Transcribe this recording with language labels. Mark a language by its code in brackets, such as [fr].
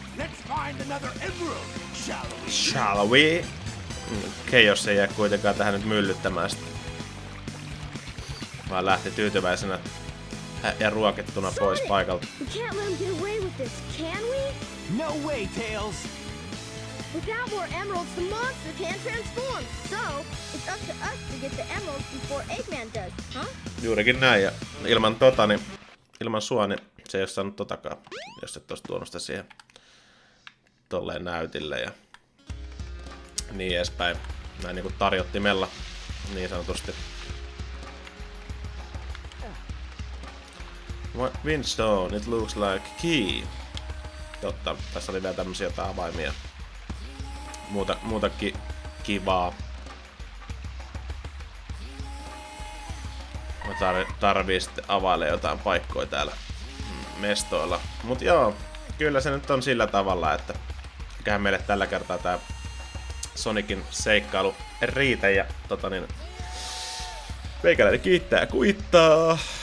[en] Let's find another emerald, shall we? Shall we? [fi] Chaos ei jää kuitenkaan tähän nyt myllyttämään sitä. Vaan lähti tyytyväisenä ja ruokittuna pois paikalta. [en] We can't let him get away with this, can we? No way, Tails! Without more emeralds, the monster can't transform! So, it's up to us to get the emeralds before Eggman does, huh? [fi] Juurikin näin, ja ilman tota, niin ilman sua, niin se ei oo saanut totakaan, jos et ois tuonut sitä siihen tolleen näytille, ja niin edespäin. Näin niinku tarjottimella, niin sanotusti. [en] Windstone, it looks like key. [fi] Totta, tässä oli vielä tämmösiä jotain avaimia. Muutakin kivaa. Mä tarvii sitten availla jotain paikkoja täällä mestoilla. Mut joo, kyllä se nyt on sillä tavalla, että eiköhän meille tällä kertaa tää Sonicin seikkailu riitä ja tota niin meikäläinen kiittää ja kuittaa.